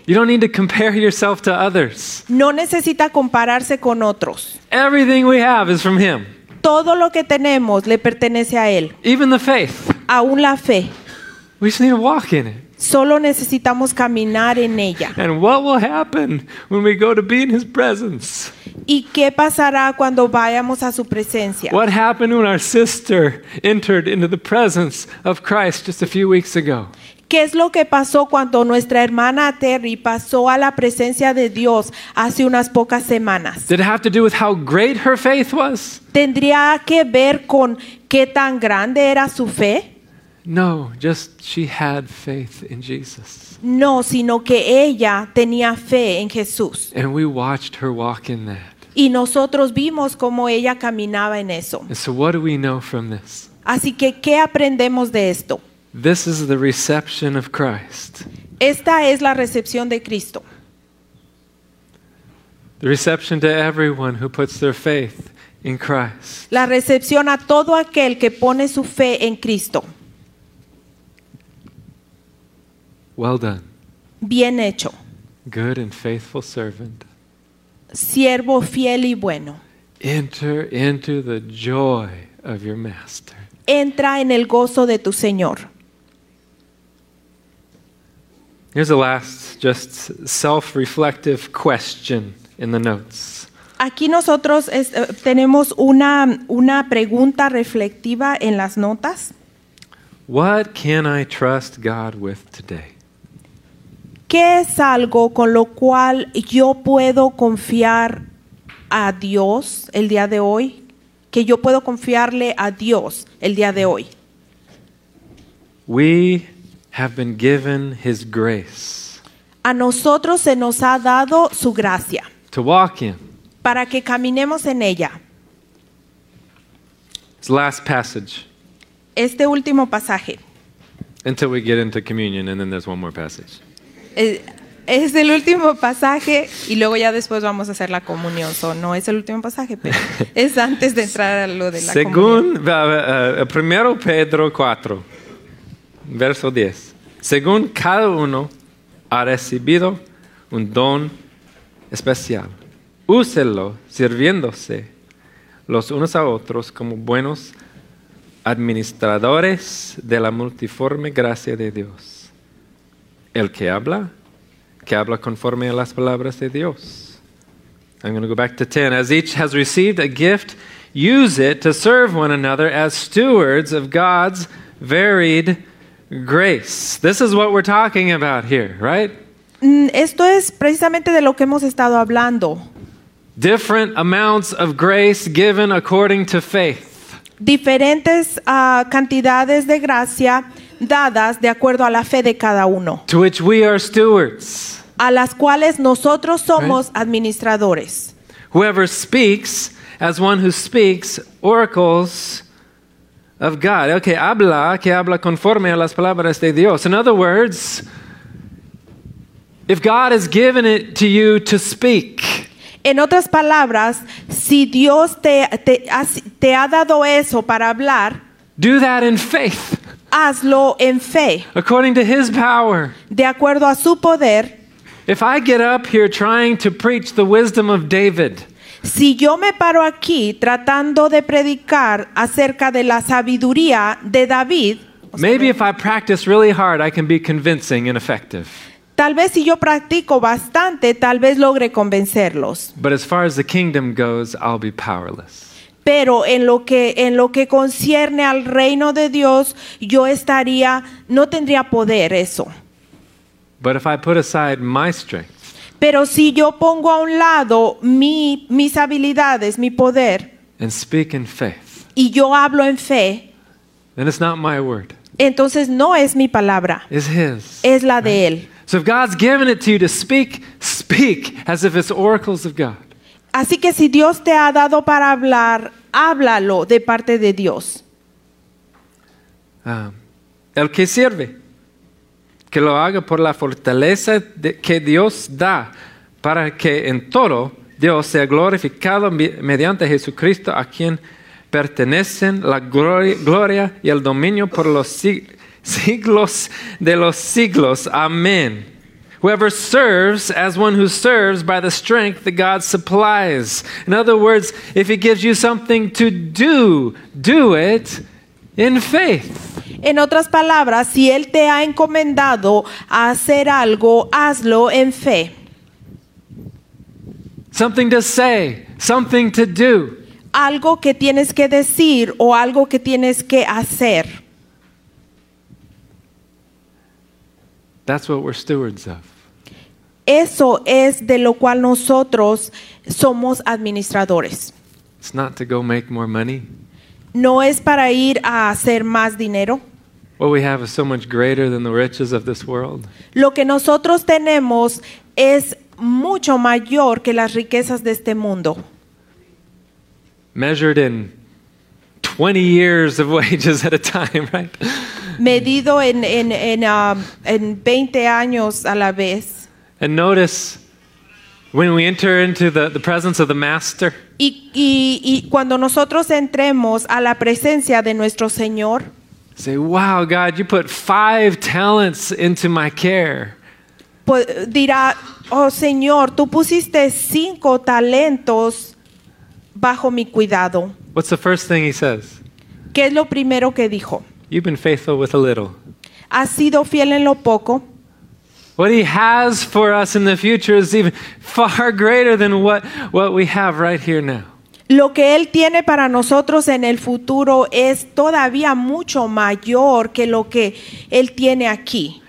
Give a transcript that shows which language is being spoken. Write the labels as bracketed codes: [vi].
[en] You don't need to compare yourself to others. [es] No necesita compararse con otros. [en] Everything we have is from him. [es] Todo lo que tenemos le pertenece a él. [en] Even the faith. [es] Aún la fe. [en] We just need to walk in it. [es] Solo necesitamos caminar en ella. [en] And what will happen when we go to be in his presence? [es] ¿Y qué pasará cuando vayamos a su presencia? [en] What happened when our sister entered into the presence of Christ just a few weeks ago? [es] ¿Qué es lo que pasó cuando nuestra hermana Terry pasó a la presencia de Dios hace unas pocas semanas? [en] Did it have to do with how great her faith was? [es] ¿Tendría que ver con qué tan grande era su fe? [en] No, just she had faith in Jesus. [es] No, sino que ella tenía fe en Jesús. [en] And we watched her walk in that. [es] Y nosotros vimos cómo ella caminaba en eso. [en] And so what do we know from this? [es] Así que, ¿qué aprendemos de esto? [en] This is the reception of Christ. [es] Esta es la recepción de Cristo. [en] The reception to everyone who puts their faith in Christ. [es] La recepción a todo aquel que pone su fe en Cristo. [en] Well done. [es] Bien hecho. [en] Good and faithful servant. [es] Siervo fiel y bueno. [en] Enter into the joy of your master. [es] Entra en el gozo de tu Señor. [en] Here's the last just self-reflective question in the notes. [es] Aquí nosotros tenemos una pregunta reflectiva en las notas. [en] What can I trust God with today? [es] ¿Qué es algo con lo cual yo puedo confiar a Dios el día de hoy? ¿Que yo puedo confiarle a Dios el día de hoy? [en] We have been given his grace. [es] A nosotros se nos ha dado su gracia. [en] To walk in. [es] Para que caminemos en ella. [en] It's the last passage. [es] Este último pasaje. [en] Until we get into communion, and then there's one more passage. [es] Es el último pasaje y luego ya después vamos a hacer la comunión. So, no es el último pasaje, pero es antes de entrar a lo de la según, comunión. Primero Pedro 4, verso 10. Según cada uno ha recibido un don especial, úselo sirviéndose los unos a otros como buenos administradores de la multiforme gracia de Dios. El que habla conforme a las palabras de Dios. [en] I'm going to go back to 10. As each has received a gift, use it to serve one another as stewards of God's varied grace. This is what we're talking about here, right? [es] Esto es precisamente de lo que hemos estado hablando. [en] Different amounts of grace given according to faith. [es] Diferentes cantidades de gracia dadas de acuerdo a la fe de cada uno. [en] To which we are stewards. [es] A las cuales nosotros somos [en] right? [es] Administradores. [en] Whoever speaks as one who speaks oracles of God. [es] Okay, habla, que habla conforme a las palabras de Dios. [en] In other words, if God has given it to you to speak. [es] En otras palabras, si Dios te ha dado eso para hablar, [en] do that in faith. [es] Hazlo en fe. [en] According to his power. [es] De acuerdo a su poder. [en] If I get up here trying to preach the wisdom of David, [es] si yo me paro aquí tratando de predicar acerca de la sabiduría de David, [en] maybe if I practice really hard, I can be convincing and effective. [es] Tal vez si yo practico bastante, tal vez logre convencerlos. [en] But as far as the kingdom goes, I'll be powerless. [es] Pero en lo que concierne al reino de Dios, yo estaría, no tendría poder eso. [en] But if I put aside my strength, [es] pero si yo pongo a un lado mis habilidades, mi poder, [en] and speak in faith, [es] y yo hablo en fe, [en] then it's not my word. [es] Entonces no es mi palabra. [en] It's his. [es] Es la [en] right? [es] de él. [en] So if God's given it to you to speak, speak as if it's oracles of God. [es] Así que si Dios te ha dado para hablar, háblalo de parte de Dios. El que sirve, que lo haga por la fortaleza que Dios da, para que en todo Dios sea glorificado mediante Jesucristo, a quien pertenecen la gloria y el dominio por los siglos de los siglos. Amén. [en] Whoever serves as one who serves by the strength that God supplies. In other words, if he gives you something to do, do it in faith. [es] En otras palabras, si él te ha encomendado a hacer algo, hazlo en fe. [en] Something to say, something to do. [es] Algo que tienes que decir o algo que tienes que hacer. [en] That's what we're stewards of. [es] Eso es de lo cual nosotros somos administradores. [en] It's not to go make more money. [es] No es para ir a hacer más dinero. [en] What we have is so much greater than the riches of this world. [es] Lo que nosotros tenemos es mucho mayor que las riquezas de este mundo. [en] Measured in 20 years of wages at a time, right? [es] Medido en 20 años a la vez. [en] And notice when we enter into the presence of the master. [es] Y cuando nosotros entremos a la presencia de nuestro Señor. [en] Say, wow, God, you put 5 talents into my care. [es] Dirá, oh Señor, tú pusiste 5 talentos bajo mi cuidado. [en] What's the first thing he says? [es] ¿Qué es lo primero que dijo? [en] You've been faithful with a little. [es] Has sido fiel en lo poco. [en] What he has for us in the future is even far greater than what we have right here now. [es] Lo que él tiene para nosotros en el futuro es todavía mucho mayor que lo que él tiene aquí.